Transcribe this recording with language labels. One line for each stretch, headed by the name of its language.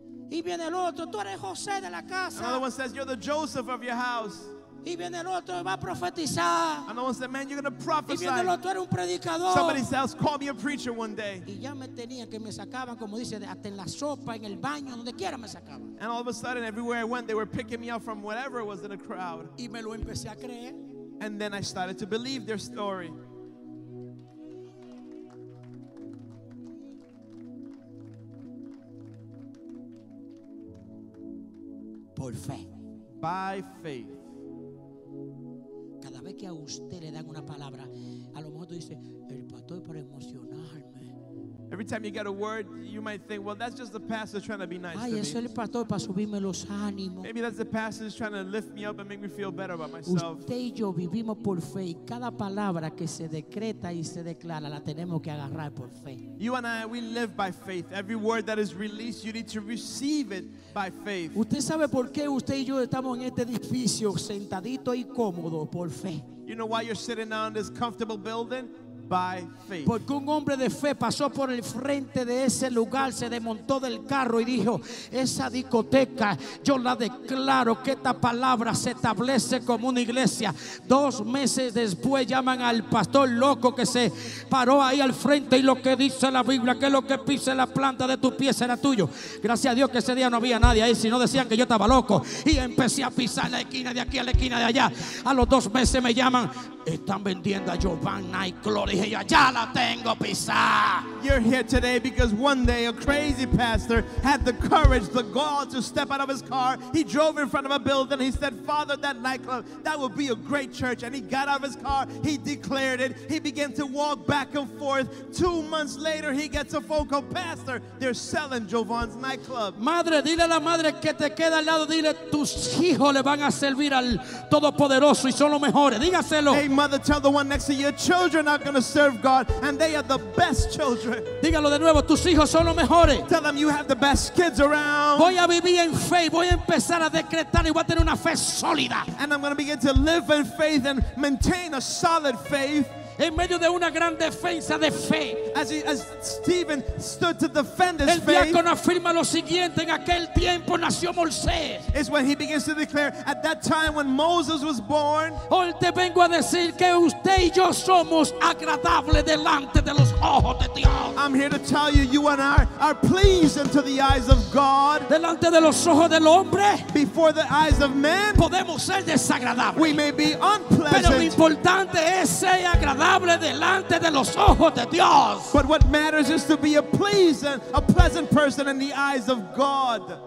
Spanish: Y viene el otro, tú eres José de la casa.
English: Another one says, "You're the Joseph of your house."
Spanish: Y viene el otro, va a profetizar.
English: Another one said, "Man, you're going to prophesy."
Spanish: Y viene el otro, era un predicador.
English: Somebody says, "Call me a preacher one day."
Spanish: Y ya me tenía que me sacaban, como dice, hasta en la sopa, en el baño, donde quiera me sacaban.
English: And all of a sudden, everywhere I went, they were picking me up from whatever was in a crowd.
Spanish: Y me lo empecé a creer.
English: And then I started to believe their story.
Spanish: Por fe.
English: By faith.
Spanish: Cada vez que a usted le dan una palabra, a lo mejor tú dices, el pastor para emocionarme.
English: Every time you get a word, you might think, well, that's just the pastor trying to be nice to me.
Spanish: Ay, eso es el pastor para subirme los ánimos.
English: Maybe that's the pastor trying to lift me up and make me feel better about myself.
Spanish: Usted y yo vivimos por fe, y cada palabra que se decreta y se declara la tenemos que agarrar por fe.
English: You and I, we live by faith. Every word that is released, you need to receive it by faith.
Spanish: Usted sabe por qué usted y yo estamos en este edificio sentadito y cómodo por fe.
English: You know why you're sitting down in this comfortable building? By faith.
Spanish: Porque un hombre de fe pasó por el frente de ese lugar, se desmontó del carro y dijo, esa discoteca, yo la declaro que esta palabra se establece como una iglesia. Dos meses después llaman al pastor loco que se paró ahí al frente y lo que dice la Biblia, que lo que pise la planta de tu pie será tuyo. Gracias a Dios que ese día no había nadie ahí, sino decían que yo estaba loco. Y empecé a pisar la esquina de aquí a la esquina de allá. A los dos meses me llaman, están vendiendo a Geovanny. Dije yo, ya la tengo pisada.
English: You're here today because one day a crazy pastor had the courage, the gall to step out of his car. He drove in front of a building and he said, "Father, that nightclub, that would be a great church." And he got out of his car, he declared it, he began to walk back and forth. 2 months later, he gets a phone call, "Pastor, they're selling Jovan's nightclub."
Spanish: Madre, dile a la madre que te queda al lado, dile, tus hijos le van a servir al Todopoderoso y son los mejores. Dígaselo.
English: Hey, mother, tell the one next to you, "Children are going to serve God and they are the best children."
Spanish: Dígalo de nuevo, tus hijos son los mejores.
English: Tell them you have the best kids around.
Spanish: Voy a vivir en fe, voy a empezar a decretar y voy a tener una fe sólida.
English: And I'm going to begin to live in faith and maintain a solid faith.
Spanish: En medio de una gran defensa de fe.
English: As Stephen stood to defend his faith.
Spanish: El diácono afirma lo siguiente, en aquel tiempo nació Moisés.
English: Is when he begins to declare, at that time when Moses was born.
Spanish: Hoy te vengo a decir que usted y yo somos agradables delante de los ojos de Dios.
English: I'm here to tell you, you and I are pleasing to the eyes of God.
Spanish: Delante de los ojos del hombre.
English: Before the eyes of man.
Spanish: Podemos ser desagradables.
English: We may be unpleasant.
Spanish: Pero lo importante es ser agradable. Delante de los ojos de Dios.
English: But what matters is to be a pleasant, a pleasant person in the eyes of God.